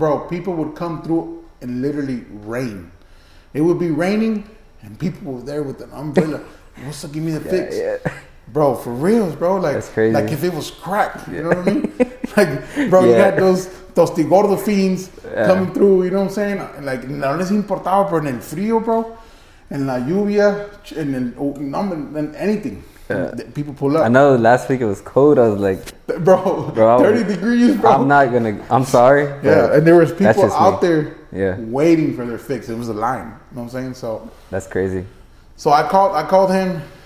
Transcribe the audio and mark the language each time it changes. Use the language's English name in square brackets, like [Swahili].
[English] Bro, people would come through and literally rain. It would be raining and people were there with an umbrella. What's up? Give me the fix. Yeah. Bro, for reals, bro. Like, that's crazy. Like if it was crack, you know what I mean? Like, bro, yeah. You had those TostisGordos fiends coming through, you know what I'm saying? [Spanish] Like, no les importaba, pero en el frío, bro. En la lluvia, en [English] anything. Yeah. People pull up. I know last week it was cold. I was like, bro 30 degrees, bro. I'm sorry. Yeah, and there was people out there waiting for their fix. It was a line. You know what I'm saying? So that's crazy. So I called him.